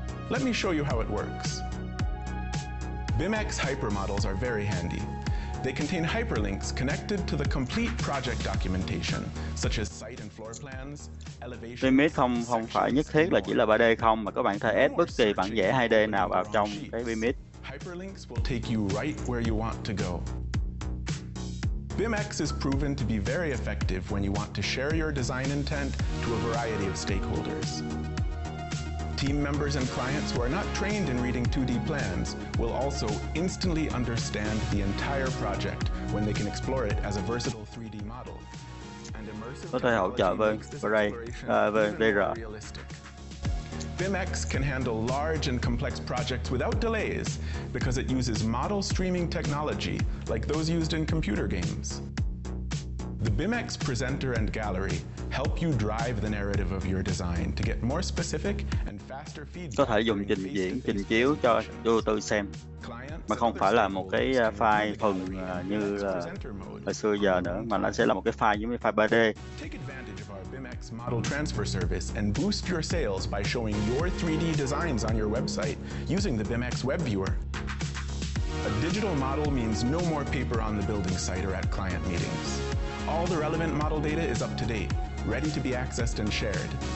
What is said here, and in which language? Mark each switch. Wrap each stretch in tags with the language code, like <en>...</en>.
<en>Let me show you how it works. BIMx hypermodels are very handy. They contain hyperlinks connected to the complete project documentation, such as site and floor plans, elevations,</en> <vi>BIMx không không phải nhất thiết là chỉ là 3D không, mà các bạn thể add bất kỳ bản vẽ 2D nào vào trong cái BIMx.</vi> <en>Hyperlinks will take you right where you want to go. BIMx is proven to be very effective when you want to share your design intent to a variety of stakeholders. Team members and clients who are not trained in reading 2D plans will also instantly understand the entire project when they can explore it as a versatile 3D model. And immersive technology makes this exploration even realistic. BIMx can handle large and complex projects without delays because it uses model streaming technology like those used in computer games. The BIMx presenter and gallery help you drive the narrative of your design to get more specific and faster feedback.</en> <vi>Có thể dùng trình diễn, trình chiếu cho vô tư xem, mà không phải là một cái file phần như là hồi xưa giờ nữa, mà nó sẽ là một cái file giống như file 3D.</vi> <en>Take advantage of our BIMx model transfer service and boost your sales by showing your 3D designs on your website using the BIMx web viewer. A digital model means no more paper on the building site or at client meetings. All the relevant model data is up to date, ready to be accessed and shared.</en>